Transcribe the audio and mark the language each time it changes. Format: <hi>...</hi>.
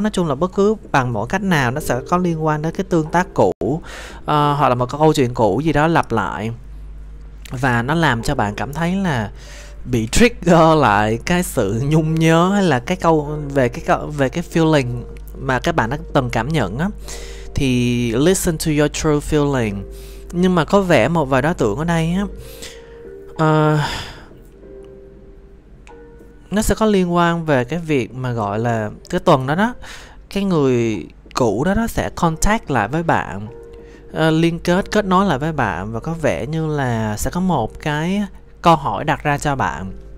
<vi>Nói chung là bất cứ bằng mọi cách nào nó sẽ có liên quan đến cái tương tác cũ, hoặc là một câu chuyện cũ gì đó lặp lại, và nó làm cho bạn cảm thấy là bị trigger lại cái sự nhung nhớ, hay là cái câu về cái feeling mà các bạn đã từng cảm nhận á.</vi> <en>Thì listen to your true feeling.</en> <vi>Nhưng mà có vẻ một vài đối tượng ở đây á, nó sẽ có liên quan về cái việc mà gọi là cái tuần đó đó, cái người cũ đó đó sẽ contact lại với bạn, liên kết kết nối lại với bạn, và có vẻ như là sẽ có một cái câu hỏi đặt ra cho bạn.</vi>